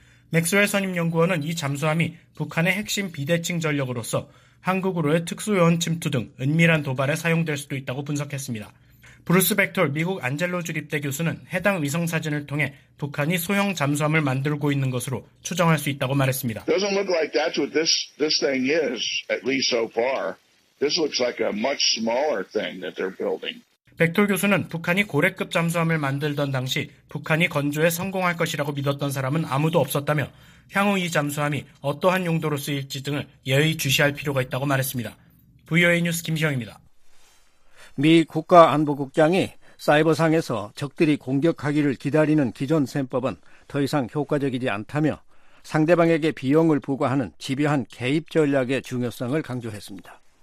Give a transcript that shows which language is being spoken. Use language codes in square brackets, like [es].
[ko] 맥스웰 선임 연구원은 이 잠수함이 북한의 핵심 비대칭 전력으로서 한국으로의 특수 요원 침투 등 은밀한 도발에 사용될 수도 있다고 분석했습니다. 브루스 벡톨 미국 안젤로 주립대 교수는 해당 위성 사진을 통해 북한이 소형 잠수함을 만들고 있는 것으로 추정할 수 있다고 말했습니다. [en] Doesn't look like that's what this thing is at least so far. This looks like a much smaller thing that they're building. [ko] 벡톨 교수는 북한이 고래급 잠수함을 만들던 당시 북한이 건조에 성공할 것이라고 믿었던 사람은 아무도 없었다며 향후 이 잠수함이 어떠한 용도로 쓰일지 등을 예의주시할 필요가 있다고 말했습니다. VOA 뉴스 김시영입니다. 미 국가안보국장이 사이버상에서 적들이 공격하기를 기다리는 기존 셈법은 더 이상 효과적이지 않다며 상대방에게 비용을 부과하는 집요한 개입 전략의 중요성을 강조했습니다.